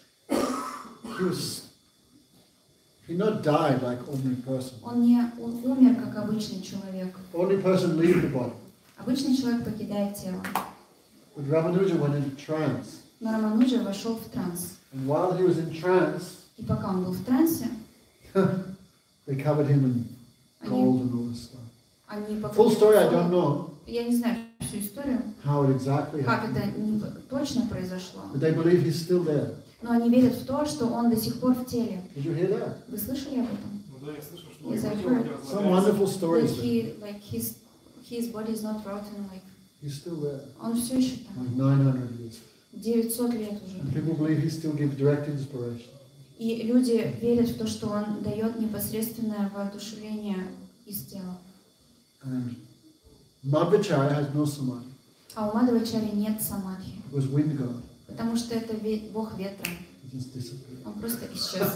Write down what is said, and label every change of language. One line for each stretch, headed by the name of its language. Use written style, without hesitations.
English: He not died like ordinary person.
Russian: Он не умер как обычный человек.
English: Ordinary person leaves the body.
Russian: Обычный человек покидает тело.
English: But Рамануджа went into trance.
Russian: Но Рамануджа вошел в транс.
English: And while he was in trance,
Russian: и пока он был в трансе,
English: they covered him in gold and all this stuff.
Russian: Они
English: full story, I don't know.
Russian: Я не знаю. Историю,
English: how it exactly happened.
Russian: Как это точно произошло.
English: But they believe he's still there.
Russian: Но они верят в то, что он до сих пор в теле.
English: Did you hear that? Вы слышали об этом?
Russian: Ну, да, я слышал, что
English: he's some wonderful stories. He, like his body is not rotten, like he's still there.
Russian: Он все еще там.
English: Like 900 years.
Russian: 900 лет уже.
English: And people believe he still gives direct inspiration.
Russian: И люди верят в то, что он дает непосредственное воодушевление из тела.
English: Madhvacharya has no samadhi.
Russian: А у Мадхвачари нет самадхи.
English: It was wind god.
Russian: Потому что это бог ветра.
English: He just disappeared.
Russian: Он просто исчез.